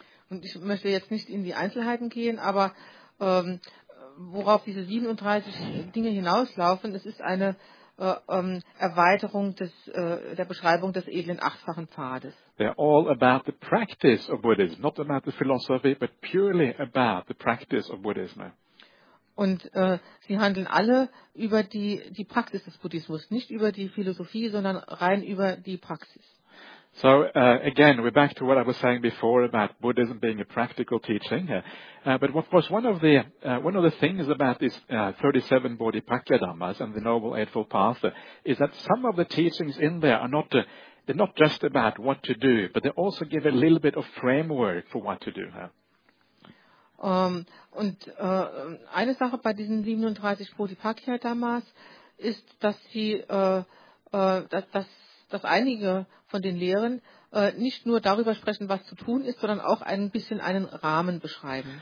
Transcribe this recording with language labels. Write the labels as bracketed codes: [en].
[de] Und ich möchte jetzt nicht in die Einzelheiten gehen, aber worauf diese 37 Dinge hinauslaufen, es ist eine Erweiterung des, der Beschreibung des edlen achtfachen Pfades. [en] They're all about the practice of Buddhism, not about the philosophy, but purely about the practice of Buddhism. [de] Und sie handeln alle über die Praxis des Buddhismus, nicht über die Philosophie, sondern rein über die Praxis. [en] So again, we're back to what I was saying before about Buddhism being a practical teaching. But what was one of the things about these 37 Bodhipakya Dhammas and the Noble Eightfold Path is that some of the teachings in there are not just about what to do, but they also give a little bit of framework for what to do. [de] Eine Sache bei diesen 37 Bodhipakya Dhammas ist, dass sie dass einige von den Lehren nicht nur darüber sprechen, was zu tun ist, sondern auch ein bisschen einen Rahmen beschreiben.